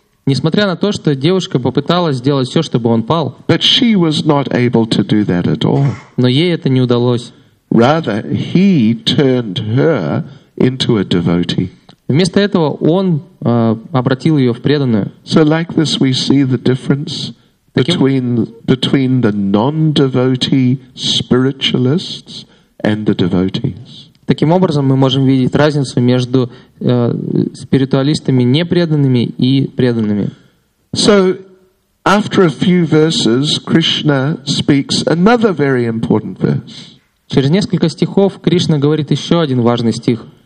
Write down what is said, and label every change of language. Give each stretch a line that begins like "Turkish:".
Russian: несмотря на то, что девушка попыталась сделать все, чтобы он пал,
English: but she was not able to do that at all.
Russian: Но ей это не удалось.
English: Rather, he turned her into a devotee.
Russian: Вместо этого он обратил ее в преданную.
English: So like this we see the difference between the non-devotee spiritualists and the devotees.
Russian: Таким образом, мы можем видеть разницу между спиритуалистами непреданными и преданными.
English: So, after a few verses, Krishna speaks another very important verse.
Russian: Через несколько стихов Кришна говорит еще один важный стих.